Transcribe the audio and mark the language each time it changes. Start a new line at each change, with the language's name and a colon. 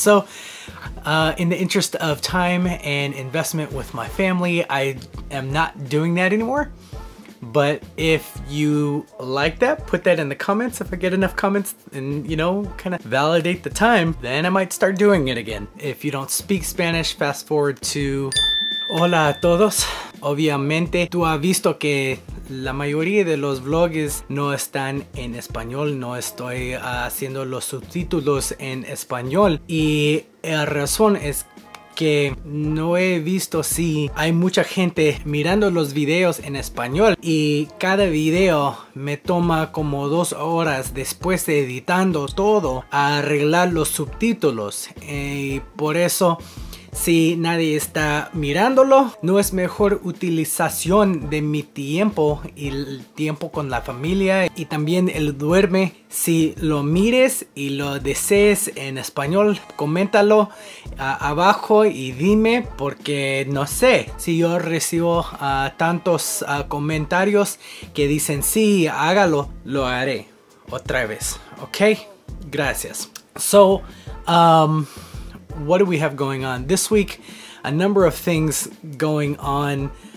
English: So in the interest of time and investment with my family, I am not doing that anymore. But if you like that, put that in the comments. If I get enough comments and, you know, kind of validate the time, then I might start doing it again. If you don't speak Spanish, fast forward to
Spanish: hola a todos. Obviamente, tú has visto que la mayoría de los vlogs no están en español. No estoy haciendo los subtítulos en español. Y la razón es que no he visto si hay mucha gente mirando los videos en español. Y cada video me toma como 2 horas después de editando todo a arreglar los subtítulos. Y por eso, si nadie está mirándolo, no es mejor utilización de mi tiempo y el tiempo con la familia y también el duerme. Si lo mires y lo desees en español, coméntalo abajo y dime, porque no sé si yo recibo tantos comentarios que dicen sí, hágalo, lo haré otra vez. Ok, gracias.
English: So, what do we have going on this week? A number of things going on.